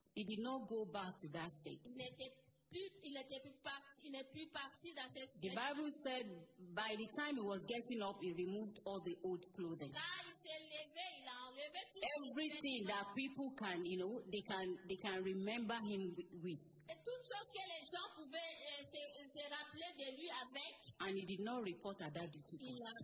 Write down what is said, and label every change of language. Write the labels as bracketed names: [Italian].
[English] He did not go back to that state. [French] Il n'est plus parti dans cette [English] state. The Bible said, by the time he was getting up, he removed all the old clothing. [French] Quand il s'est levé, il a enlevé tout. [English] Everything that people can, you know, they can remember him with. [French] Et toute chose que les gens pouvaient se rappeler de lui avec. [English] And he did not report at that disciple.